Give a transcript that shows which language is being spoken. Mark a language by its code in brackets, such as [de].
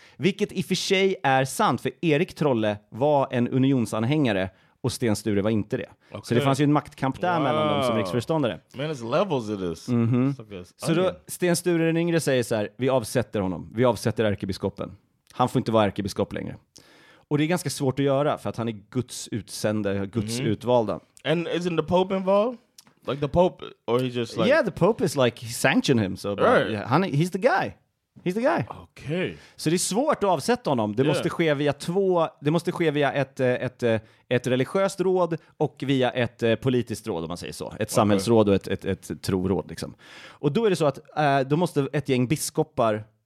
[sv] Vilket i och för sig är sant, för Erik Trolle var en unionsanhängare och Sten Sture var inte det. Okay. Så det fanns ju en maktkamp där mellan dem som riksföreståndare. [en] Man, it's levels it is. Mm-hmm. [sv] Så då Sten Sture den yngre säger så här: vi avsätter honom, vi avsätter ärkebiskopen. Han får inte vara ärkebiskop längre. Och det är ganska svårt att göra för att han är Guds utsände, Guds utvalda. [en] And isn't the Pope involved? Like the Pope, or he just like... Yeah, the Pope is like, he sanctioned him. So, but, right. Yeah, he's the guy. He's the guy. Okay. [sv] Så det är svårt att avsätta honom. Det måste ske via ett religiöst råd och via ett politiskt råd, om man säger så. Ett samhällsråd och ett troråd, liksom. Och då är det så att då måste ett gäng biskopar...